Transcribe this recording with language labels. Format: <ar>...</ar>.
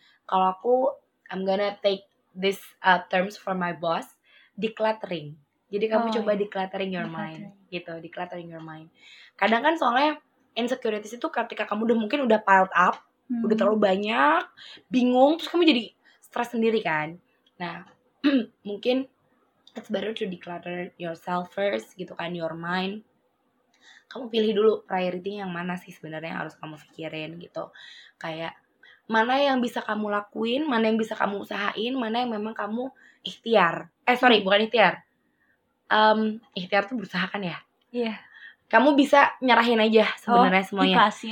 <id>Kalau aku,</id> <en>I'm gonna take this terms from my boss, decluttering.</en> <id>Jadi kamu coba</id> <en>decluttering your mind gitu, decluttering your mind.</en> <id>Kadang kan soalnya insecurities itu ketika kamu udah mungkin udah</id> <en>piled up,</en> <id>udah terlalu banyak, bingung, terus kamu jadi stres sendiri kan. Nah, mungkin</id> <en>it's better to declutter yourself first gitu kan, your mind.</en> <id>Kamu pilih dulu priority yang mana sih sebenarnya yang harus kamu pikirin gitu. Kayak mana yang bisa kamu lakuin, mana yang bisa kamu usahain, mana yang memang kamu ikhtiar. Bukan ikhtiar. Ikhtiar tuh berusaha kan ya? Iya. Yeah. Kamu bisa nyerahin aja sebenarnya semuanya.</id>